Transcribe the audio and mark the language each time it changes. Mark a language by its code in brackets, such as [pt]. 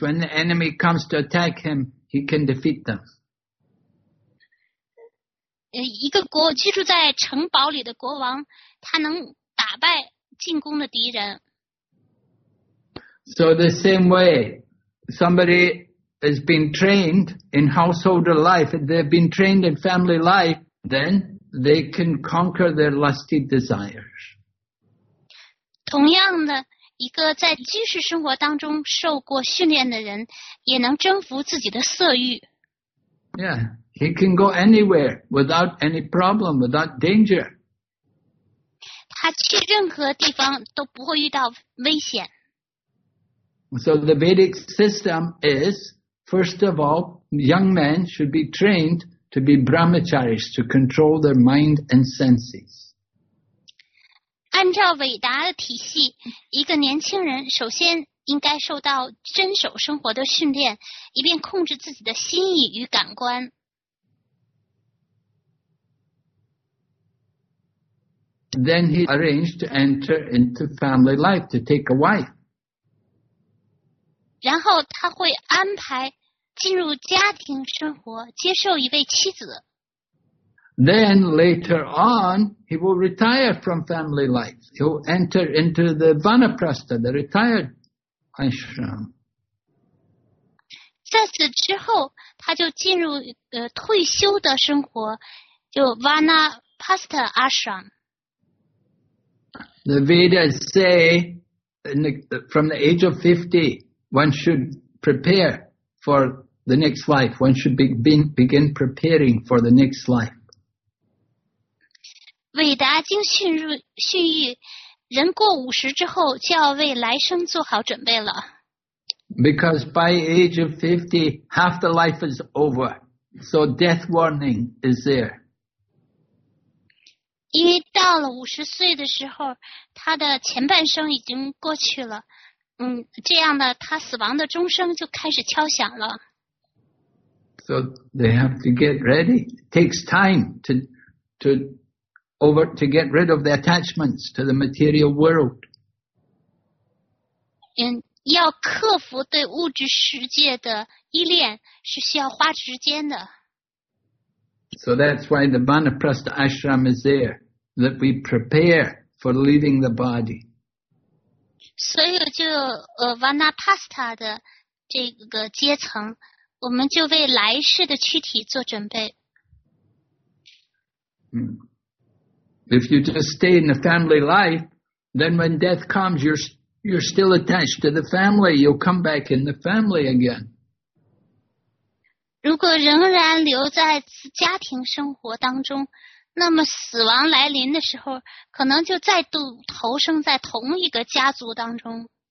[en] When the enemy comes to attack him, he can defeat them. [zh] 一个国居住在城堡里的国王，他能打败进攻的敌人。 [en] So the same way, somebody has been trained in household life, if they've been trained in family life, then they can conquer their lusty desires. [zh] 同样的，一个在居室生活当中受过训练的人，也能征服自己的色欲。 [en] Yeah, he can go anywhere without any problem, without danger. [zh] 他去任何地方都不会遇到危险。 [en] So the Vedic system is, first of all, young men should be trained to be brahmacharis, to control their mind and senses. [zh] 按照伟达的体系，一个年轻人首先应该受到遵守生活的训练，以便控制自己的心意与感官。 [en] Then he arranged to enter into family life, to take a wife. [zh] 然后他会安排进入家庭生活，接受一位妻子。 [en] Then later on, he will retire from family life. He'll enter into the vanaprastha, the retired ashram. [zh] 在此之后，他就进入退休的生活，就 vanaprastha ashram. [en] The Vedas say, from the age of 50,One should prepare for the next life. One should begin preparing for the next life. [zh] 伟达经训谕，人过五十之后就要为来生做好准备了。 [en] Because by age of 50, half the life is over. So death warning is there. [zh] 因为到了五十岁的时候，他的前半生已经过去了。这样呢，他死亡的钟声就开始敲响了。 [en] So they have to get ready. It takes time to get rid of the attachments to the material world. [zh] 要克服对物质世界的依恋是需要花时间的。 [en] So that's why the Vanaprastha Ashram is there, that we prepare for leaving the body. [zh] 所以就Vanaprastha 的这个阶层，我们就为来世的躯体做准备。 [en] If you just stay in the family life, then when death comes, you're still attached to the family. You'll come back in the family again. [zh] 如果仍然留在家庭生活当中，那么死亡来临的时候，可能就再度投生在同一个家族当中。